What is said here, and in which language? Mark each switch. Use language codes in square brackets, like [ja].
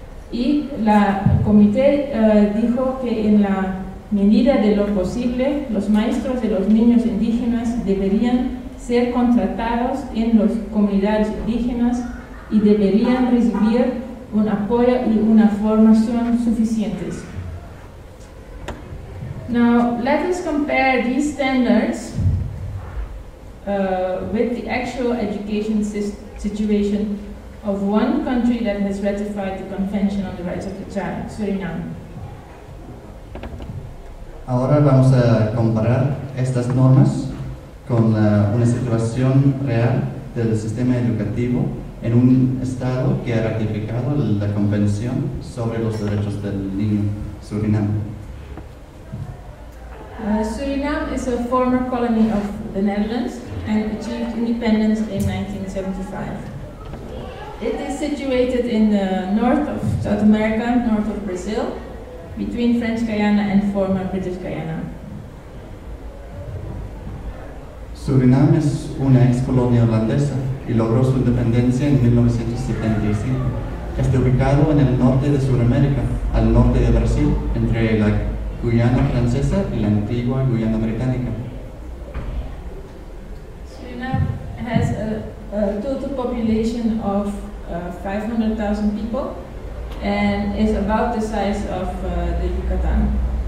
[es] Y la comité dijo que en la medida de lo posible, los maestros de los niños indígenas deberían ser contratados en las comunidades indígenas y deberían recibir un apoyo y una formación suficientes. [en] Now, let us compare these standards with the actual education situation of one country that has ratified the Convention on the Rights of the Child, Suriname. [es] Ahora vamos a comparar estas normas con una situación real del sistema educativo en un estado que ha ratificado la Convención sobre los Derechos del Niño, Suriname. [en] Suriname is a former colony of the Netherlands and achieved independence in 1975. It is situated in the north of South America, north of Brazil, between French Guyana and former British Guyana. [es] Suriname es una ex-colonia holandesa y logró su independencia en 1975. Está ubicado en el norte de Sudamérica, al norte de Brasil, entre la Guyana francesa y la antigua Guyana británica. [en] Suriname has a total population of 500,000 people and is about the size of the Yucatan.